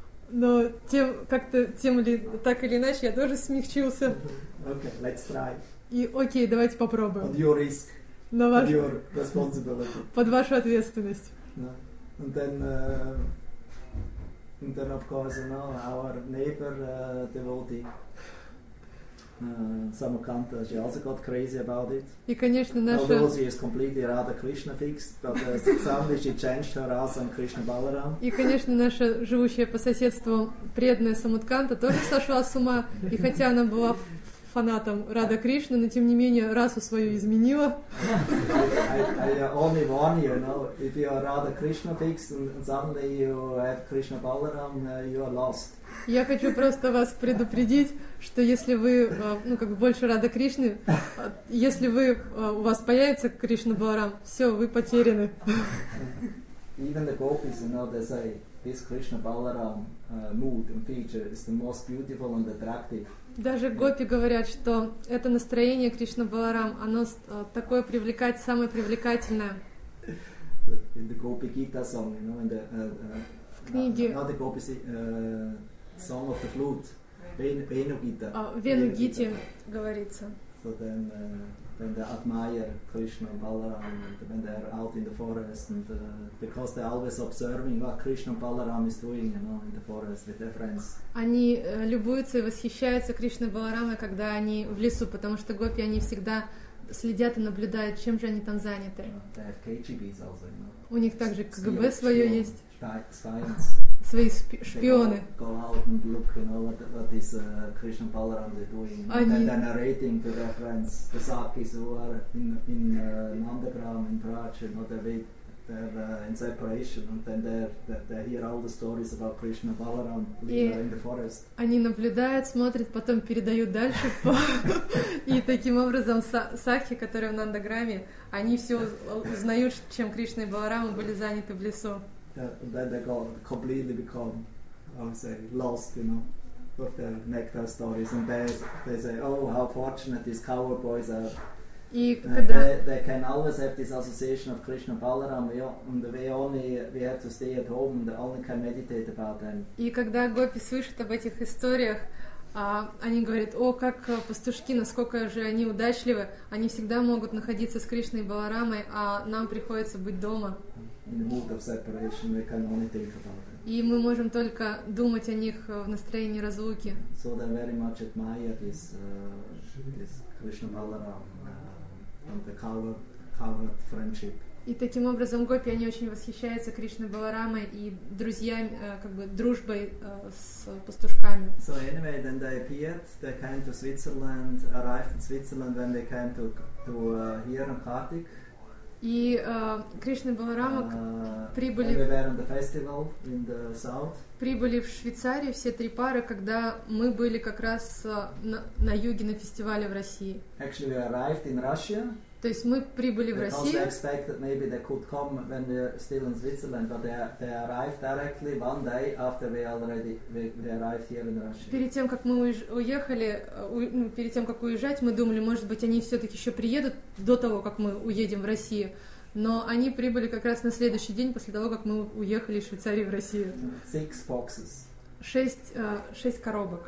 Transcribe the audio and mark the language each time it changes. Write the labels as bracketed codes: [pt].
[ru] Но тем как-то тем или так или иначе я тоже смягчился. [en] Okay, let's try. [ru] И окей, давайте попробуем. [en] On your risk. [ru] На ваш... [en] your responsibility. [ru] Под вашу ответственность. [en] Yeah. And then, and then of course, you know, our neighbor, devotee. Samukanta, she also got crazy about it. [ru] И, конечно, наша... [en] Although she is completely Radha Krishna fixed, but suddenly she changed her rasa and Krishna Balaram. [ru] И, конечно, наша живущая по соседству преданная Самутканта тоже сошла с ума. И хотя она была фанатом Радха Кришны, но тем не менее расу свою изменила. [en] I only warn you, you know, if you are Radha Krishna fixed and suddenly you have Krishna Balaram, you are lost. [ru] Я хочу просто вас предупредить, что если вы, ну, как бы больше Радха Кришны, если вы, у вас появится Кришна Баларам, все, вы потеряны. [en] Even the gopis, you know, they say, this Krishna Balaram mood and feature is the most beautiful and attractive. [ru] Даже гопи говорят, что это настроение Кришна Баларам, оно такое привлекательное, самое привлекательное. [en] In the Gopi Gita song, you know, in the [ru] в книге. [en] Not the Gopi song of the flute. Venugita. [ru] Венугите говорится. [en] So then they admire Krishna Balaram when they're out in the forest, and because they're always observing what Krishna Balaram is doing, you know, in the forest with their friends. [ru] Они любуются и восхищаются Кришной Баларамой, когда они в лесу, потому что гопи они всегда следят и наблюдают, чем же они там заняты. [en] They have KGBs also, you know. [ru] У них также КГБ свое есть. [en] Science. [ru] Свои шпионы. [en] Go out and look, you know, what is Krishna Balaram doing. [ru] Они... [en] And then narrating to their friends, the sakis who are in underground, in Braj, you know, they're in separation, and then they hear all the stories about Krishna Balaram in the forest. [ru] Они наблюдают, смотрят, потом передают дальше. И таким образом сакхи, которые в Нандаграме, они все узнают, чем Кришна и Баларама были заняты в лесу. [en] And then they got completely become, I would say, lost, you know, with their nectar stories. And they say, oh, how fortunate these cowherd boys are. They can always have this association of Krishna Balaram, and we have to stay at home and only can meditate about them. [ru] И когда гопи слышат об этих историях, они говорят, о, как пастушки, насколько же они удачливы, они всегда могут находиться с Кришной и Баларамой, а нам приходится быть дома. [en] In the mood of separation, we can only think about them. [ru] И мы можем только думать о них в настроении разлуки. [en] So they very much admire this Krishna Balaram and the cowherd friendship. [ru] И таким образом гопи они очень восхищаются Кришной Баларамой и друзьями, как бы дружбой с пастушками. [en] So anyway, then they appeared, they came to Switzerland, arrived in Switzerland, then they came to here in Kartik. [ru] И Кришна и Баларама прибыли. [en] We were on the festival in the south. [ru] Прибыли в Швейцарию все три пары, когда мы были как раз на юге на фестивале в России. [en] Actually, we arrived in Russia. [ru] То есть мы прибыли в Россию. [en] Because they expected maybe they could come when they're still in Switzerland, but they arrived directly one day after we arrived here in Russia. [ru] Перед тем как мы уехали, перед тем как уезжать, мы думали, может быть, они все-таки еще приедут до того, как мы уедем в Россию. Но они прибыли как раз на следующий день после того, как мы уехали из Швейцарии в Россию. [en] Six boxes. [ru] Шесть коробок.